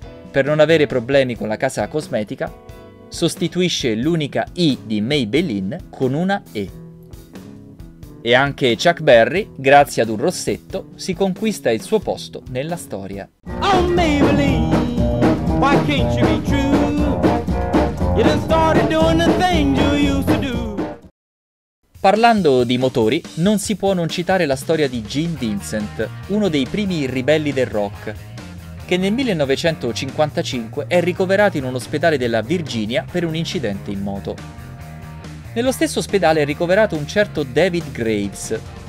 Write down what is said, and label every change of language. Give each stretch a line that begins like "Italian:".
Italian: Per non avere problemi con la casa cosmetica, sostituisce l'unica I di Maybelline con una E. E anche Chuck Berry, grazie ad un rossetto, si conquista il suo posto nella storia.
English: Oh Maybelline, why can't you be true? You done started doing the things you used to do.
Italian: Parlando di motori, non si può non citare la storia di Gene Vincent, uno dei primi ribelli del rock, che nel 1955 è ricoverato in un ospedale della Virginia per un incidente in moto. Nello stesso ospedale è ricoverato un certo David Graves.